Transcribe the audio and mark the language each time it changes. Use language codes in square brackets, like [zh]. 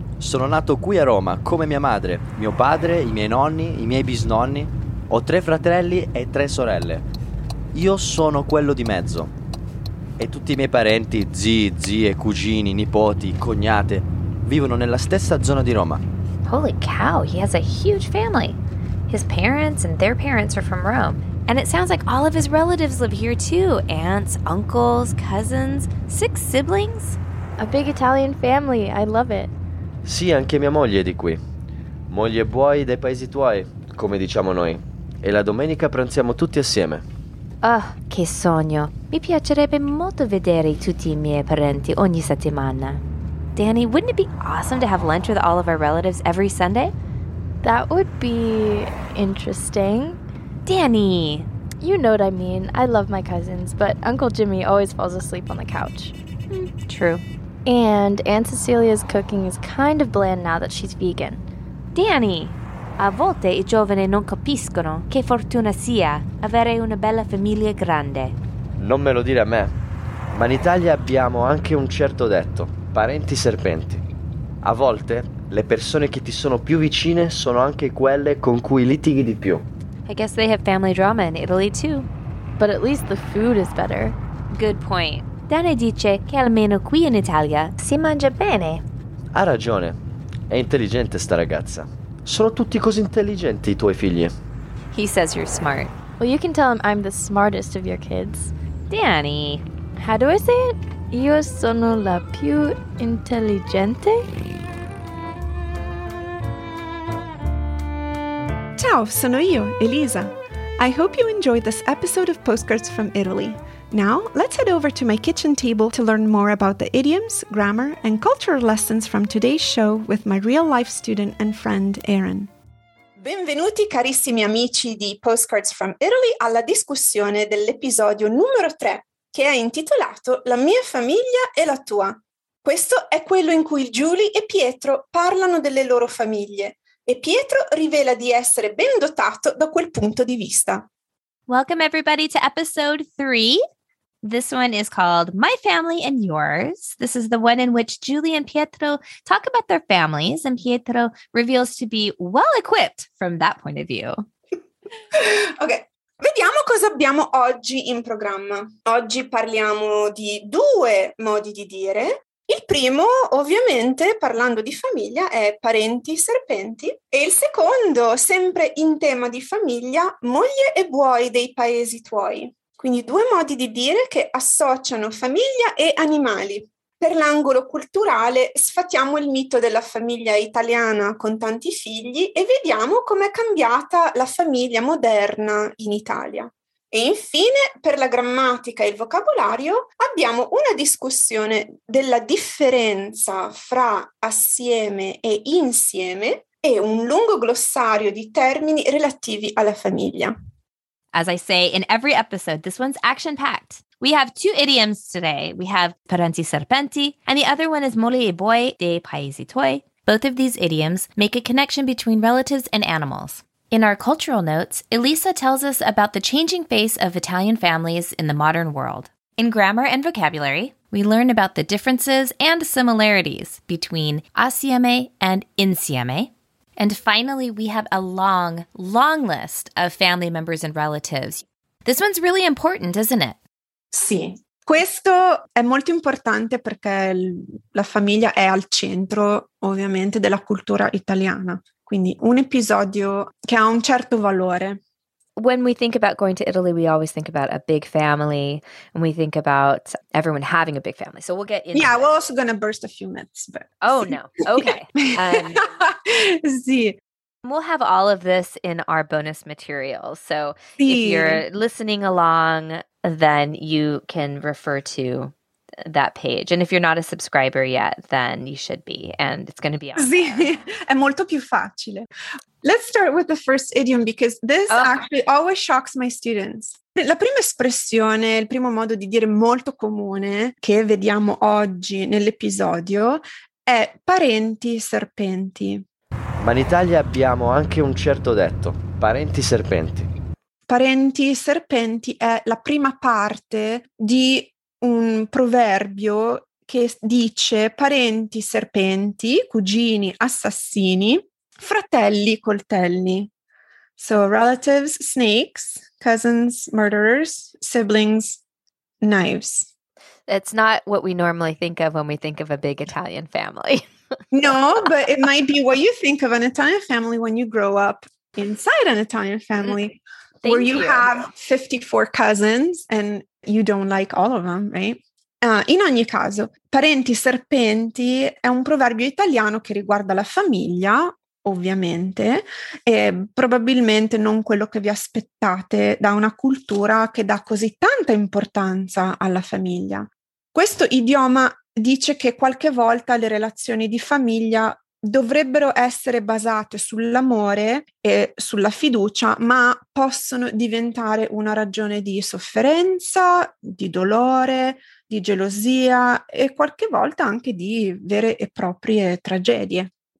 [it] Sono nato qui a Roma, come mia madre, mio padre, i miei nonni, i miei bisnonni. Ho tre fratelli e tre sorelle. Io sono quello di mezzo. E tutti i miei parenti, zii, zie, cugini, nipoti, cognate, vivono nella stessa zona di Roma. [en] Holy cow, he has a huge family. His parents and their parents are from Rome. And it sounds like all of his relatives live here too. Aunts, uncles, cousins, six siblings. A big Italian family, I love it. [it] Sì, anche mia moglie è di qui. Moglie buoi dei paesi tuoi, come diciamo noi. E la domenica pranziamo tutti assieme. Oh, che sogno. Mi piacerebbe molto vedere tutti i miei parenti ogni settimana. [en] Danny, wouldn't it be awesome to have lunch with all of our relatives every Sunday? That would be interesting. Danny! You know what I mean. I love my cousins, but Uncle Jimmy always falls asleep on the couch. True. And Aunt Cecilia's cooking is kind of bland now that she's vegan. Danny! [it] A volte i giovani non capiscono che fortuna sia avere una bella famiglia grande. Non me lo dire a me, ma in Italia abbiamo anche un certo detto, parenti serpenti. A volte le persone che ti sono più vicine sono anche quelle con cui litighi di più. [en] I guess they have family drama in Italy too. But at least the food is better. Good point. [it] Danny dice che almeno qui in Italia si mangia bene. Ha ragione. È intelligente sta ragazza. Sono tutti così intelligenti i tuoi figli. [en] He says you're smart. Well, you can tell him I'm the smartest of your kids. Danny. How do I say it? [it] Io sono la più intelligente. Ciao, sono io, Elisa. [en] I hope you enjoyed this episode of Postcards from Italy. Now, let's head over to my kitchen table to learn more about the idioms, grammar, and cultural lessons from today's show with my real-life student and friend, Aaron. [it] Benvenuti carissimi amici di Postcards from Italy alla discussione dell'episodio numero 3 che è intitolato La mia famiglia e la tua. Questo è quello in cui Julie e Pietro parlano delle loro famiglie e Pietro rivela di essere ben dotato da quel punto di vista. [en] Welcome everybody to episode 3. This one is called My Family and Yours. This is the one in which Julie and Pietro talk about their families, and Pietro reveals to be well-equipped from that point of view. [it] Ok, vediamo cosa abbiamo oggi in programma. Oggi parliamo di due modi di dire. Il primo, ovviamente, parlando di famiglia, è parenti, serpenti. E il secondo, sempre in tema di famiglia, moglie e buoi dei paesi tuoi. Quindi due modi di dire che associano famiglia e animali. Per l'angolo culturale sfatiamo il mito della famiglia italiana con tanti figli e vediamo com'è cambiata la famiglia moderna in Italia. E infine, per la grammatica e il vocabolario, abbiamo una discussione della differenza fra assieme e insieme e un lungo glossario di termini relativi alla famiglia. [en] As I say in every episode, this one's action-packed. We have two idioms today. We have parenti serpenti, and the other one is moglie e buoi dei paesi tuoi. Both of these idioms make a connection between relatives and animals. In our cultural notes, Elisa tells us about the changing face of Italian families in the modern world. In grammar and vocabulary, we learn about the differences and similarities between assieme and insieme. And finally, we have a long, long list of family members and relatives. This one's really important, isn't it? [it] Sì. Questo è molto importante perché la famiglia è al centro, ovviamente, della cultura italiana. Quindi un episodio che ha un certo valore. [en] When we think about going to Italy, we always think about a big family and we think about everyone having a big family. So we'll get into that. Yeah, we're also going to burst a few myths. But... Oh, no. Okay. [it] Sì. [en] We'll have all of this in our bonus materials. So sì. If you're listening along, then you can refer to that page. And if you're not a subscriber yet, then you should be. And it's going to be on [it] sì. È molto più facile. [en] Let's start with the first idiom because this actually always shocks my students. [it] La prima espressione, il primo modo di dire molto comune che vediamo oggi nell'episodio è parenti serpenti. Ma in Italia abbiamo anche un certo detto, parenti serpenti. Parenti serpenti è la prima parte di un proverbio che dice parenti serpenti, cugini assassini. Fratelli coltelli. [en] So relatives, snakes, cousins, murderers, siblings, knives. It's not what we normally think of when we think of a big Italian family. No, but it might be what you think of an Italian family when you grow up inside an Italian family where you have 54 cousins and you don't like all of them, right? [it] In ogni caso, parenti serpenti è un proverbio italiano che riguarda la famiglia. Ovviamente, e probabilmente non quello che vi aspettate da una cultura che dà così tanta importanza alla famiglia. Questo idioma dice che qualche volta le relazioni di famiglia dovrebbero essere basate sull'amore e sulla fiducia, ma possono diventare una ragione di sofferenza, di dolore, di gelosia e qualche volta anche di vere e proprie tragedie.